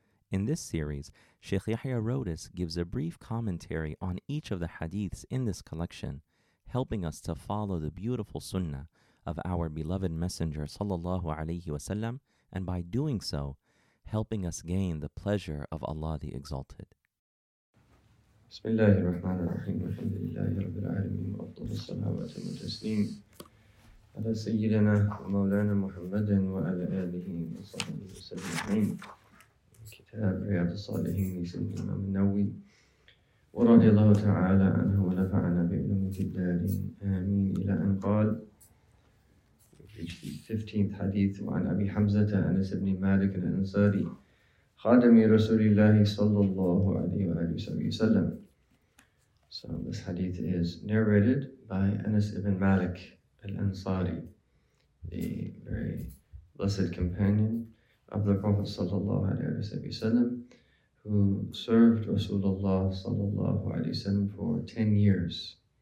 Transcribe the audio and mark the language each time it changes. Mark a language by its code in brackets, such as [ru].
[en] In this series, Sheikh Yahya Rodas gives a brief commentary on each of the hadiths in this collection, helping us to follow the beautiful sunnah of our beloved messenger sallallahu alayhi wa sallam, and by doing so, helping us gain the pleasure of Allah the Exalted. [ar] بسم الله الرحمن الرحيم الحمد لله رب العالمين وأفضل الصلاة وأتم التسليم على سيدنا ومولانا محمد وعلى آله وصحبه وسلم. كتاب رياض الصالحين لسيد الإمام النووي ورضي الله تعالى عنه ونفعنا بعلومه الدارين آمين. إلى أن قال الفيفتينث حديث عن أبي حمزة أنس بن مالك الأنصاري خادم رسول الله صلى الله عليه وآله وسلم. [en] So this hadith is narrated by Anas ibn Malik al-Ansari, the very blessed companion of the Prophet sallallahu alayhi wa sallam, who served Rasulullah sallallahu alayhi wa sallam for 10 years.